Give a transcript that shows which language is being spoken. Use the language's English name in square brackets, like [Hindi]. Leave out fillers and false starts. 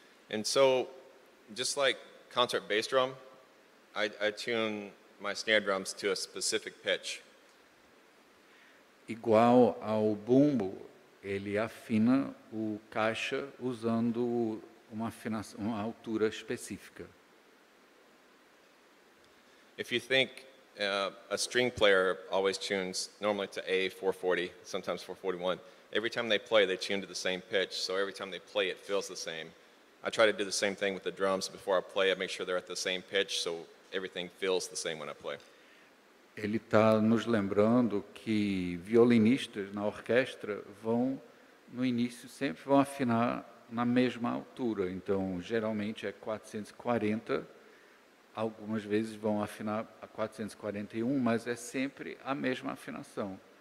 [English] And so, just like concert bass drum, I tune my snare drums to a specific pitch. [Portuguese] Igual ao bumbo, ele afina o caixa usando uma altura específica. [English] If you think a string player always tunes normally to A 440, sometimes 441, every time they play, they tune to the same pitch, so every time they play, it feels the same. I try to do the same thing with the drums before I play. I make sure they're at the same pitch, so everything feels the same when I play. [Portuguese] Ele está nos lembrando que violinistas na orquestra vão, no início, sempre vão afinar na mesma altura. Então, geralmente é 440. Algumas vezes vão afinar a 441, mas é sempre a mesma afinação.